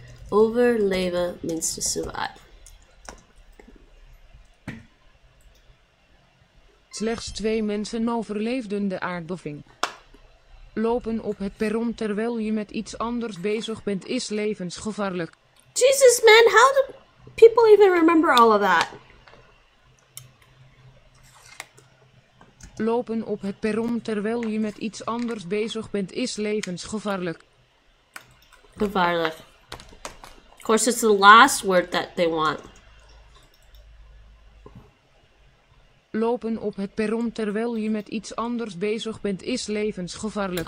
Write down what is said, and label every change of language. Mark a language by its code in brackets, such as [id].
[en] Overleven means to survive. [nl] Slechts twee mensen overleefden de aardbeving. Lopen op het perron terwijl je met iets anders bezig bent is levensgevaarlijk. [en] Jesus man, how do people even remember all of that? [nl] Lopen op het perron terwijl je met iets anders bezig bent is levensgevaarlijk. Gevaarlijk. [en] Of course, it's the last word that they want. [nl] Lopen op het perron terwijl je met iets anders bezig bent is levensgevaarlijk.